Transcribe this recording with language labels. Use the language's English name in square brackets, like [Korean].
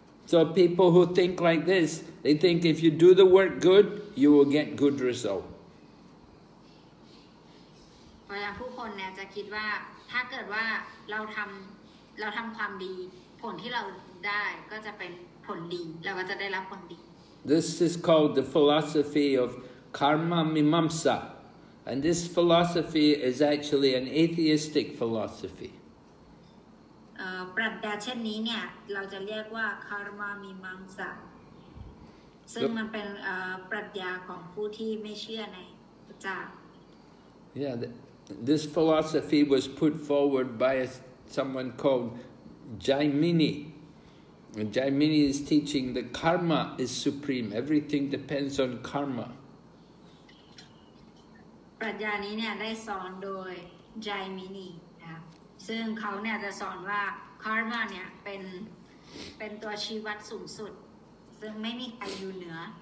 [English] So people who think like this, they think if you do the work good, you will get good result. [Thai] เพราะฉะนั้นผู้คนเนี่ยจะคิดว่าถ้าเกิดว่าเราทำความดีผลที่เราได้ก็จะเป็นผลดีเราก็จะได้รับผลดี [English] This is called the philosophy of karma mimamsa and this philosophy is actually an atheistic philosophy [Thai] ปรัชญาเช่นนี้เนี่ยเราจะเรียกว่า karma mimamsa ซึ่งมันเป็นปรัชญาของผู้ที่ไม่เชื่อในพระเจ้า [English] Yeah This philosophy was put forward by someone called Jaimini. And Jaimini is teaching that karma is supreme. Everything depends on karma. [Thai] ปรัชญานี้เนี่ยได้สอนโดย Jaimini นะซึ่งเขาเนี่ยจะสอนว่า karma เนี่ยเป็นตัวชีวัดสูงสุดซึ่งไม่มีใครอยู่เหนือ